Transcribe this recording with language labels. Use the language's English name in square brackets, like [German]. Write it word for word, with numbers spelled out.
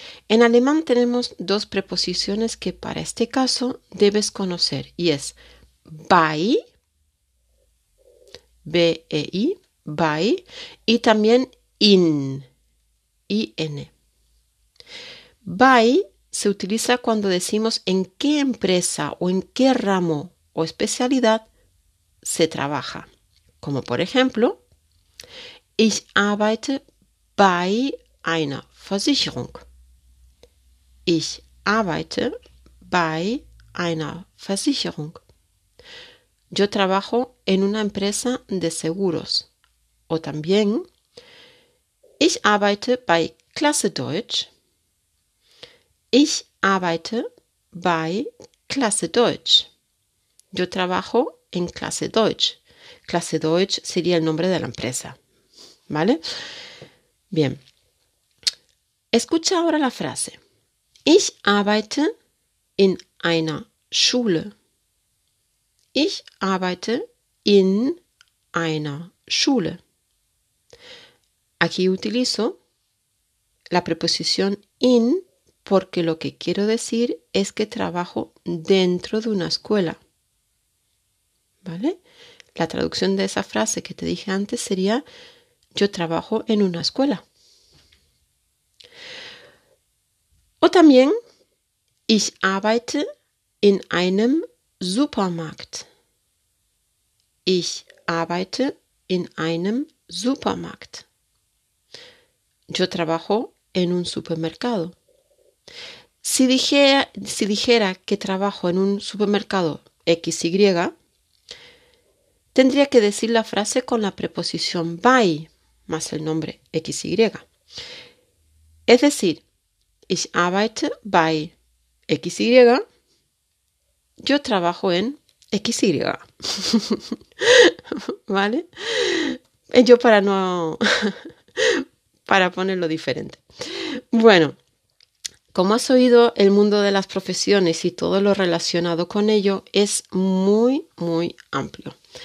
[Spanish] En alemán tenemos dos preposiciones que para este caso debes conocer, y es bei, B E I, bei, y también in, I N. By se utiliza cuando decimos en qué empresa o en qué ramo o especialidad se trabaja. Como por ejemplo, [German] ich arbeite bei einer Versicherung. Ich arbeite bei einer Versicherung. [Spanish] Yo trabajo en una empresa de seguros. O también, [German] ich arbeite bei Klasse Deutsch. Ich arbeite bei Klasse Deutsch. [Spanish] Yo trabajo en Klasse Deutsch. Klasse Deutsch sería el nombre de la empresa. ¿Vale? Bien. Escucha ahora la frase. [German] Ich arbeite in einer Schule. Ich arbeite in einer Schule. [Spanish] Aquí utilizo la preposición in porque lo que quiero decir es que trabajo dentro de una escuela. ¿Vale? La traducción de esa frase que te dije antes sería yo trabajo en una escuela. O también [German] ich arbeite in einem Supermarkt. Ich arbeite in einem Supermarkt. [Spanish] Yo trabajo en un supermercado. Si dijera, si dijera que trabajo en un supermercado equis y griega, tendría que decir la frase con la preposición by más el nombre equis y griega. Es decir, [German] ich arbeite bei [Spanish] equis y griega. Yo trabajo en equis y griega. ¿Vale? Yo para no... para ponerlo diferente. Bueno, como has oído, el mundo de las profesiones y todo lo relacionado con ello es muy, muy amplio.